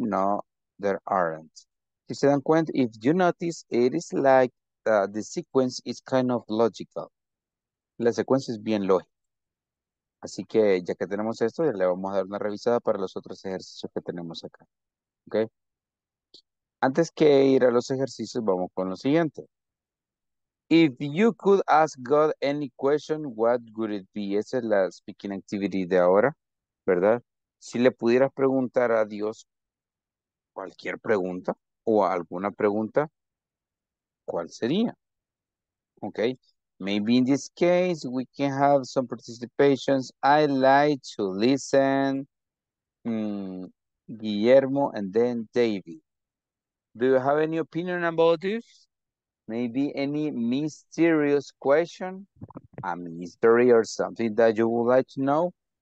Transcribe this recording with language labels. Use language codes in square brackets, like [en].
[en] No, there aren't. [es] Si se dan cuenta, [en] if you notice, it is like the sequence is kind of logical. [es] La secuencia es bien lógica. Así que ya que tenemos esto, ya le vamos a dar una revisada para los otros ejercicios que tenemos acá. ¿Okay? Antes que ir a los ejercicios, vamos con lo siguiente. [en] If you could ask God any question, what would it be? [es] Esa es la speaking activity de ahora, ¿verdad? Si le pudieras preguntar a Dios cualquier pregunta o alguna pregunta, ¿cuál sería? [en] Okay. Maybe in this case, we can have some participations. I like to listen, Guillermo, and then David. Do you have any opinion about this? Maybe any mysterious question, a mystery or something that you would like to know?